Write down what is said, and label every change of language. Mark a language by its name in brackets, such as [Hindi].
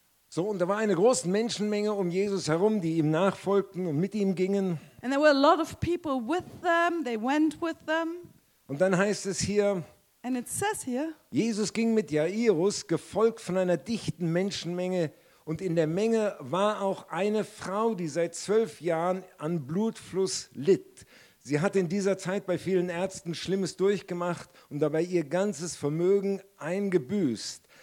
[German] So, und da war eine große Menschenmenge um Jesus herum, die ihm nachfolgten und mit ihm gingen. [English] And there were a lot of people with them, they went with them. [German] Und dann heißt es hier, [English] and it says here, [German] Jesus ging mit Jairus, gefolgt von einer dichten Menschenmenge, und in der Menge war auch eine Frau, die seit 12 Jahren an Blutfluss litt. Sie hatte in dieser Zeit bei vielen Ärzten Schlimmes durchgemacht und dabei ihr ganzes Vermögen eingebüßt.